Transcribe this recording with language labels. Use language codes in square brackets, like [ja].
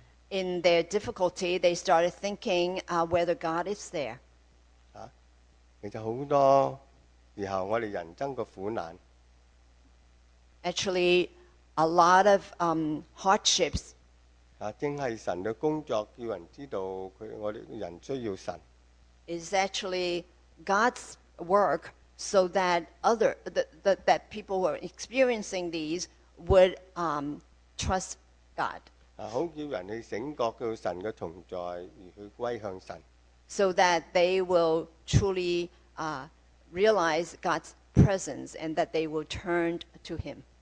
[en] In their difficulty, they started thinking whether God is there. [zh] 其實很多時候我們人生的苦難, [en] actually, a lot of hardships, [zh] 正是神的工作叫人知道我們人需要神, [en] is actually God's work so that other that people who are experiencing these would trust God. [zh] 好叫人去醒覺到神的同在而去歸向神, [en] so that they will truly realize God's presence and that they will turn to Him.